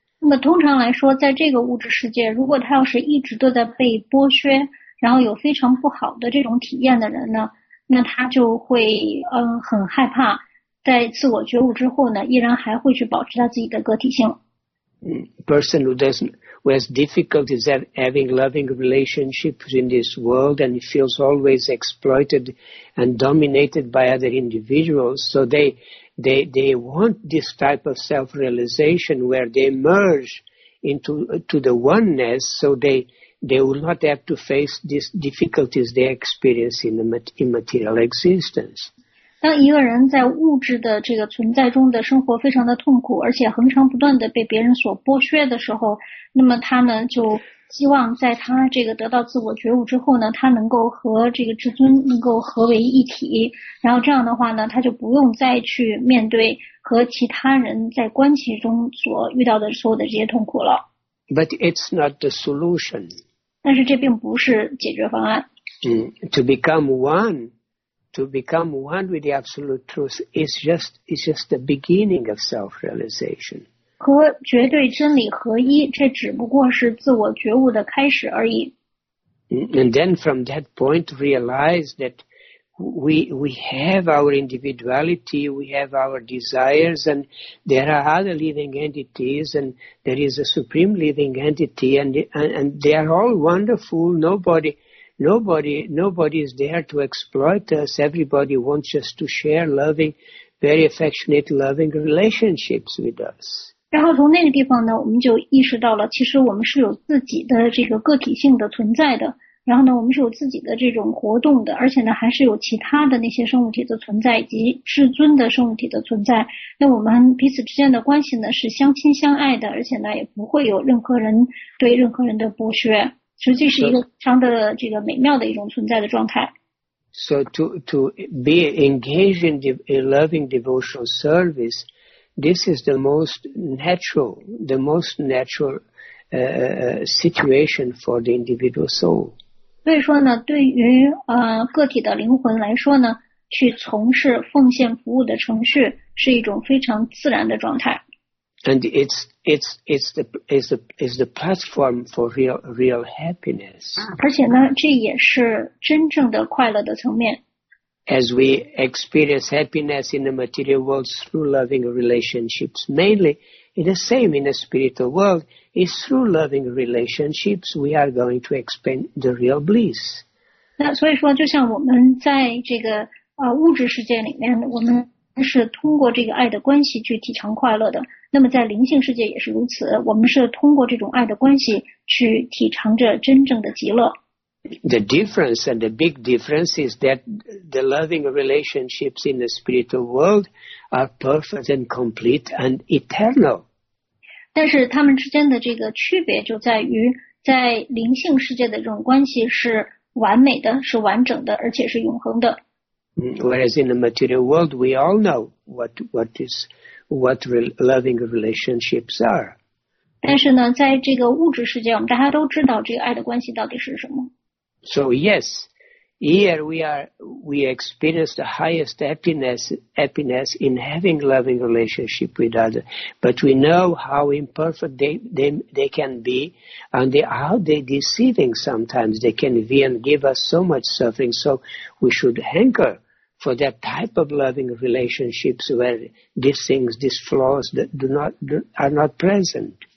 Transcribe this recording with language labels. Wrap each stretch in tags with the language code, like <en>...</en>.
<zh>那么通常来说，在这个物质世界，如果他要是一直都在被剥削，然后有非常不好的这种体验的人呢，那他就会很害怕，在自我觉悟之后呢，依然还会去保持他自己的个体性。</zh> <en>Person who has difficulties having loving relationships in this world and feels always exploited and dominated by other individuals. So they want this type of self-realization where they merge into the oneness, so they will not have to face these difficulties they experience in the immaterial existence.</en> <zh>当一个人在物质的这个存在中的生活非常的痛苦，而且恒常不断的被别人所剥削的时候，那么他呢就希望在他这个得到自我觉悟之后呢，他能够和这个至尊能够合为一体，然后这样的话呢，他就不用再去面对和其他人在关系中所遇到的所有的这些痛苦了。</zh> <en>But it's not the solution.</en> <zh>但是这并不是解决方案。</zh> <en>To become one with the absolute truth is just the beginning of self-realization.</en> <zh>和绝对真理合一，这只不过是自我觉悟的开始而已。</zh> <en>And then from that point, realize that we have our individuality, we have our desires, and there are other living entities, and there is a supreme living entity, and they are all wonderful. Nobody is there to exploit us. Everybody wants just to share loving, very affectionate, loving relationships with us.</en> <zh>然后从那个地方呢，我们就意识到了，其实我们是有自己的这个个体性的存在的。然后呢，我们是有自己的这种活动的，而且呢，还是有其他的那些生物体的存在，以及至尊的生物体的存在。那我们彼此之间的关系呢，是相亲相爱的，而且呢，也不会有任何人对任何人的剥削，实际是一个非常的这个美妙的一种存在的状态。</zh> <en>So to be engaged in a loving devotional service, this is the most natural, situation for the individual soul.</en> <zh>所以说呢，对于个体的灵魂来说呢，去从事奉献服务的程序是一种非常自然的状态。</zh> <en>And it's the platform for real happiness.</en> <zh>而且呢，这也是真正的快乐的层面。</zh> <en>As we experience happiness in the material world through loving relationships, mainly, it's the same in the spiritual world. It's through loving relationships we are going to experience the real bliss.</en> <zh>那所以说，就像我们在这个物质世界里面，我们是通过这个爱的关系去体尝快乐的。那么在灵性世界也是如此，我们是通过这种爱的关系去体尝着真正的极乐。</zh> <en>The difference and the big difference is that the loving relationships in the spiritual world are perfect and complete and eternal.</en> <zh>但是他们之间的这个区别就在于，在灵性世界的这种关系是完美的，是完整的，而且是永恒的。</zh> <en>Whereas in the material world, we all know what loving relationships are.</en> <zh>但是呢，在这个物质世界，我们大家都知道这个爱的关系到底是什么。</zh> <en>So yes, here we experience the highest happiness in having loving relationship with others. But we know how imperfect they can be, and how they deceiving sometimes. They can be and give us so much suffering. So we should hanker for that type of loving relationships where these things, these flaws that are not present.</en>